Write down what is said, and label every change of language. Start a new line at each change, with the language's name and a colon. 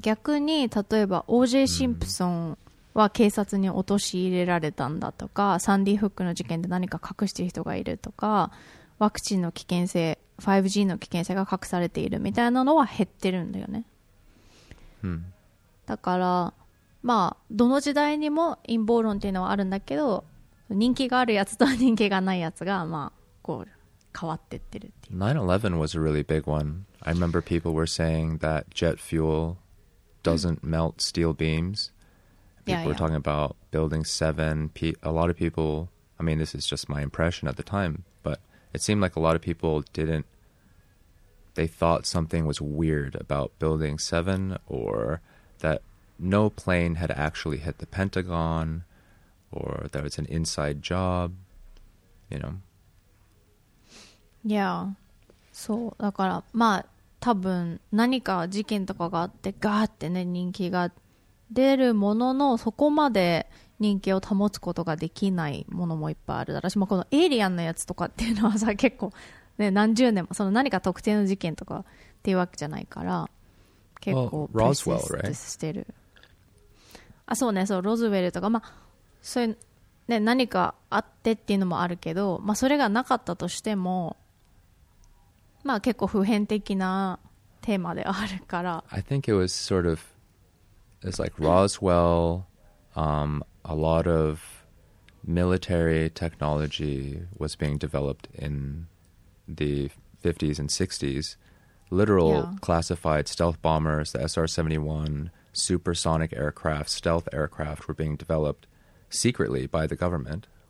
Japanese: 逆に例えば OJ シンプソン、うんは警察に陥れられたんだとか、サンディフックの事件で何か隠している人がいるとか、ワクチンの危険性、5G の危険性が隠されているみたいなのは減ってるんだよね。うん、だから、まあ、どの時代にも陰謀論っていうのはあるんだけど、人気があるやつと人気がないやつが、まあ、こう、変わってってるっていう。
English: 9/11 was a really big one. I remember people were saying that jet fuel doesn't melt steel beams. People yeah, yeah. were talking about Building 7. A lot of people, I mean, this is just my impression at the time, but it seemed like a lot of people didn't, they thought something was weird about Building 7 or that no plane had actually hit the Pentagon or that it's an inside job, you know. Yeah. So,
Japanese: だから、まあ、多分何か事件とかがあってガーってね、人気が出るもののそこまで人気を保つことができないものもいっぱいあるだろうし、まあ、このエイリアンのやつとかっていうのはさ結構、ね、何十年もその何か特定の事件とかっていうわけじゃないから結構プレスティスしてる、あ、そうね、そう、ロズウェルとか、まあそういうね、何かあってっていうのもあるけど、まあ、それがなかったとしても、まあ、結構普遍的なテーマであるから、
English: I think it was sort ofIt's like Roswell, a lot of military technology was being developed in the 50s and 60s. Literal yeah. classified stealth bombers, the SR-71, supersonic aircraft, stealth aircraft were being developed secretly by the government.